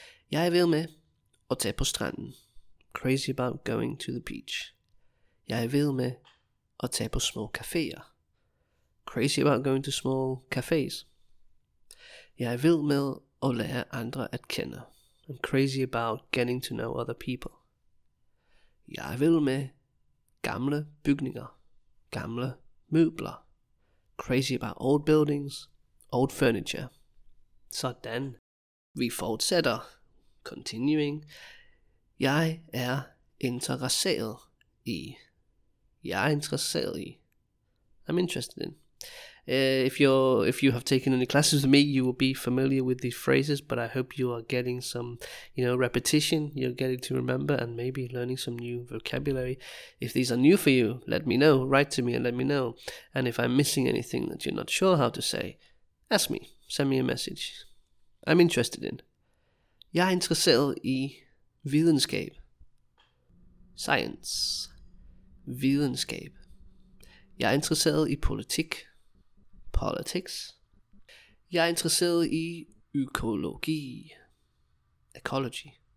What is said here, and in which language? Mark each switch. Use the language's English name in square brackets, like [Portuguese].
[Danish] Jeg er vild med at tage på stranden. [English] Crazy about going to the beach. [Danish] Jeg er vild med at tage på små caféer. [English] Crazy about going to small cafes. [Danish] Jeg er vild med at lære andre at kende. [English] I'm crazy about getting to know other people. [Danish] Jeg er vild med gamle bygninger. Gamle møbler. [English] Crazy about old buildings. Old furniture. [Danish] Sådan. Vi fortsætter. [English] Continuing. [Danish] Jeg er interesseret I. Jeg er interesseret I. [English] I'm interested in. If you have taken any classes with me, you will be familiar with these phrases, but I hope you are getting some, you know, repetition, you're getting to remember and maybe learning some new vocabulary. If these are new for you, let me know, write to me and let me know. And if I'm missing anything that you're not sure how to say, ask me, send me a message. I'm interested in. [Danish] Jeg er interesseret I videnskab. Science. Videnskab. Jeg er interesseret I politik. Politics. Jeg er interesseret I økologi. Ecology.